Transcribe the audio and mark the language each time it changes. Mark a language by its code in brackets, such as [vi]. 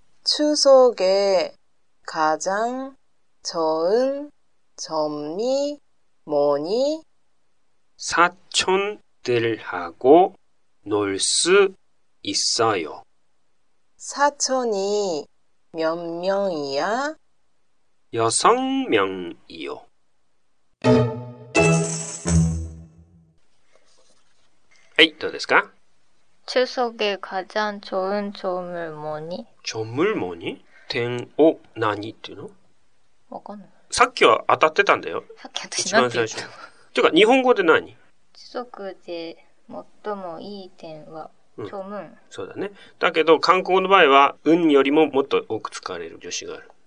[ko] 추석에가장좋은점이뭐니 사촌들하고놀수있어요 사촌이몇명이야 여성명이요 [ja] はい、どうですか [ko] 추석에가장좋은점을뭐니 점을뭐니 [ja] 点を何っていうのわかんない。さっきは当たってたんだよ。さっき私何て言ったの？一番最初。てか、日本語で何 추석で最もいい点は、점은、うん。そうだね。だけど、韓国語の場合は、運よりももっと多く使われる助詞がある。